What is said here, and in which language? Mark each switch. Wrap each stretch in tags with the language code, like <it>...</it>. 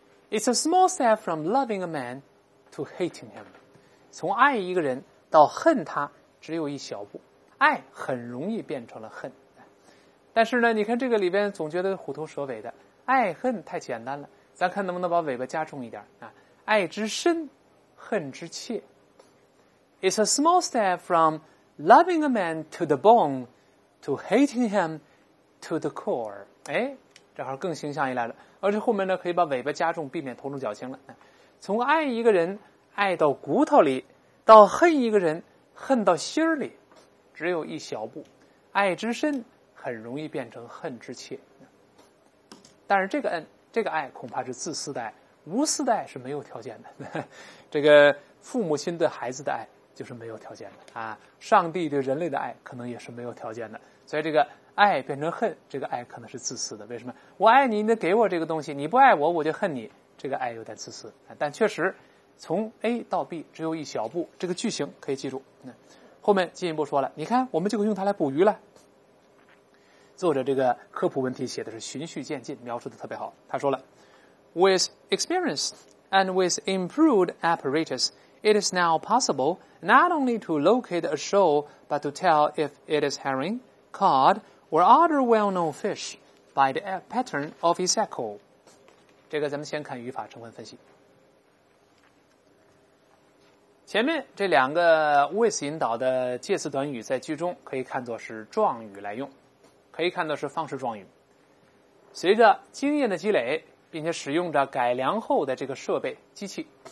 <en>It's a small step from loving a man to hating him，</en> <zh>从爱一个人到恨他只有一小步，爱很容易变成了恨。但是呢，你看这个里边总觉得虎头蛇尾的，爱恨太简单了，咱看能不能把尾巴加重一点，爱之深，恨之切。</zh> <en>It's a small step from loving a man to the bone to hating him to the core.</en> <zh>哎，这好像更形象一来了。而且后面呢，可以把尾巴加重，避免头重脚轻了。从爱一个人爱到骨头里，到恨一个人恨到心里，只有一小步。爱之深，很容易变成恨之切。但是这个爱恐怕是自私的爱，无私的爱是没有条件的。这个父母亲对孩子的爱就是没有条件的啊，上帝对人类的爱可能也是没有条件的。所以这个爱变成恨，这个爱可能是自私的。为什么？我爱你，你得给我这个东西，你不爱我，我就恨你。这个爱有点自私，但确实从 A 到 B 只有一小步。这个句型可以记住。后面进一步说了，你看我们就可以用它来捕鱼了。作者这个科普问题写的是循序渐进，描述的特别好。他说了</zh> <en>，With experience and with improved apparatus, it is now possible not only to locate a shoal, but to tell if it is herring, cod, or other well-known fish by the pattern of its echo.</en> <zh>这个咱们先看语法成分分析。前面这两个 with 引导的介词短语在句中可以看作是状语来用。可以看到是方式状语，随着经验的积累，并且使用着改良后的这个设备机器。</zh>